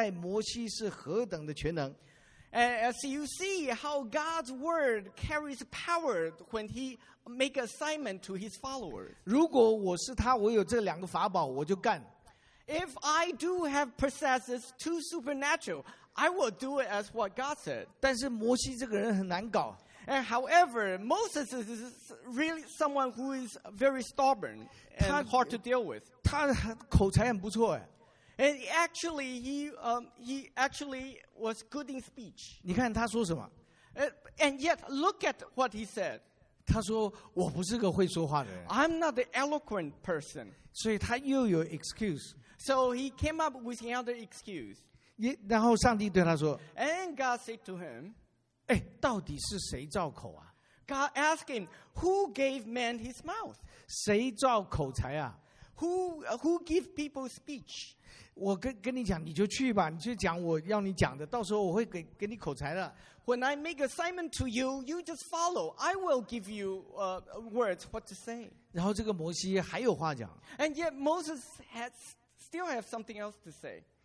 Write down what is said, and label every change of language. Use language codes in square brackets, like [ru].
[zh] 交代他的仆人，交代摩西是何等的全能。 [en] As you see how God's word carries power when he make assignment to his followers. [zh] 如果我是他，我有这两个法宝，我就干。 [en] If I do have possesses two supernatural, I will do it as what God said. [zh] 但是摩西这个人很难搞。 [en] And however, Moses is really someone who is very stubborn and hard to deal with. [zh] 他口才很不错哎。 [en] And actually, he actually was good in speech. [zh] 你看他说什么？ [en] And yet, look at what he said. [zh] 他说我不是个会说话的人。 [en] I'm not the eloquent person. [zh] 所以他又有 excuse. [en] So he came up with another excuse. [zh] 然后上帝对他说。 [en] And God said to him, [zh] 哎，到底是谁造口啊？ [en] God asked him, who gave man his mouth? [zh] 谁造口才啊？ [en] Who give people speech? [zh] 我跟你讲，你就去吧，你就讲我要你讲的，到时候我会给你口才的。 [en] When I make assignment to you, you just follow. I will give you words what to say. [zh] 然后这个摩西还有话讲。 [en] And yet Moses has still have something else to say.